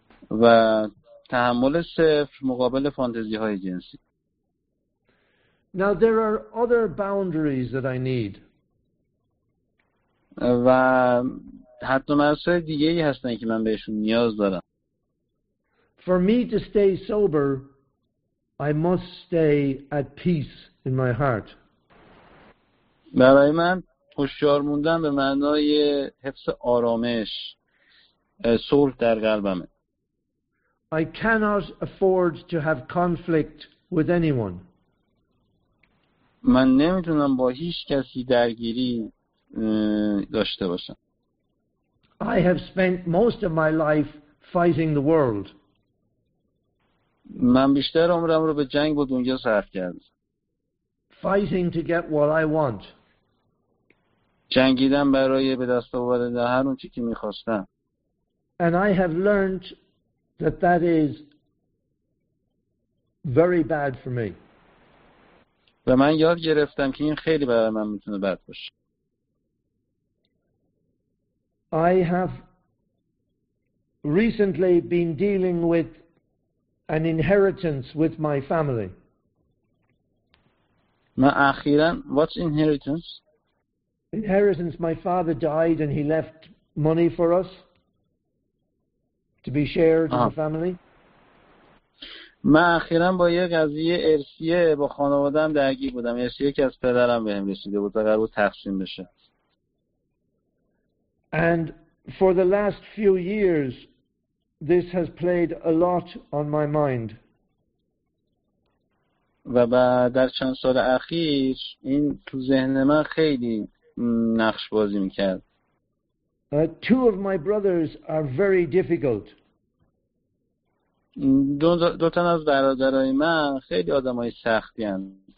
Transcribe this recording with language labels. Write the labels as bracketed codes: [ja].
[fa] و تحمل صفر مقابل فانتزی های جنسی. [en] Now there are other boundaries that I need. [fa] و حتی مسائل دیگه ای هستن که من بهشون نیاز دارم. [en] For me to stay sober, I must stay at peace in my heart. [fa] برای من هوشیار موندن به معنای حفظ آرامش، صلح در قلبمه. [en] I cannot afford to have conflict with anyone. [fa] من نمیتونم با هیچ کسی درگیری داشته باشم. [en] I have spent most of my life fighting the world. [fa] من بیشتر عمرم رو به جنگ با دنیا صرف کردم. [en] Fighting to get what I want. [fa] جنگیدم برای به دست آوردن هر اون چیزی که می‌خواستم. [en] And I have learned that that is very bad for me. [fa] و من یاد گرفتم که این خیلی برای من میتونه بد باشه. [en] I have recently been dealing with an inheritance with my family. [fa] من اخیراً [en] what's inheritance? Inheritance, my father died and he left money for us to be shared in the family. [fa] من اخیرا با یه قضیه ارثیه با خانوادم درگیر بودم. ارثیه که از پدرم بهم رسیده بود و قرار بود تقسیم بشه. [en] And for the last few years, this has played a lot on my mind. [fa] و بعد در چند سال اخیر این تو ذهن من خیلی نقش بازی میکرد. [en] Two of my brothers are very difficult. [fa] دو تن از برادرای من خیلی آدمای سختی هن.